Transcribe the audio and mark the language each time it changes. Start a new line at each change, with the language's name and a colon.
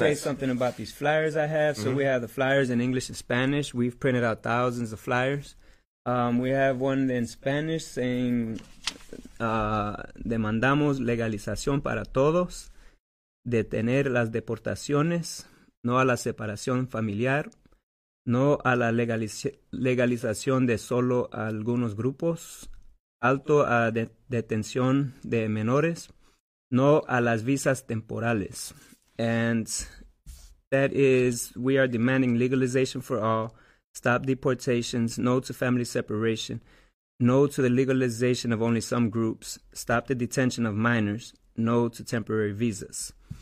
English: Let me say something about these flyers I have. So mm-hmm. We have the flyers in English and Spanish. We've printed out thousands of flyers. We have one in Spanish saying,
Spanish: demandamos legalización para todos, detener las deportaciones, no a la separación familiar, no a la legalización de solo algunos grupos, alto a detención de menores, no a las visas temporales.
English: And that is, we are demanding legalization for all, stop deportations, no to family separation, no to the legalization of only some groups, stop the detention of minors, no to temporary visas.